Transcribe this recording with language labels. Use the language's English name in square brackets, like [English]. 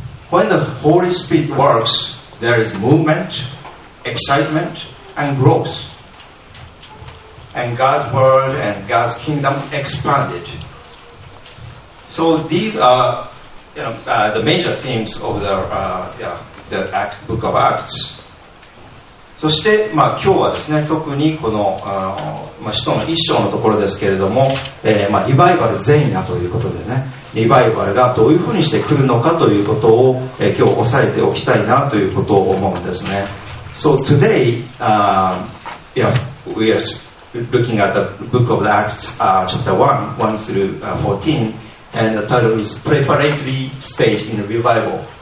[English] When the Holy Spirit works, there is movement, excitement, and growth. and God's word and God's kingdom expanded. So these are the major themes of the Book of Acts. [Japanese] そして、まあ、今日はですね、特にこの、まあ、使徒の一章のところですけれども、まあ、リバイバル前夜ということでね、リバイバルがどういうふうにして来るのかということを、今日押さえておきたいなということを思うんですね。 [English] So today, we are looking at the book of the Acts, chapter 1, 1 through 14, and the title is Preparatory Stage in Revival.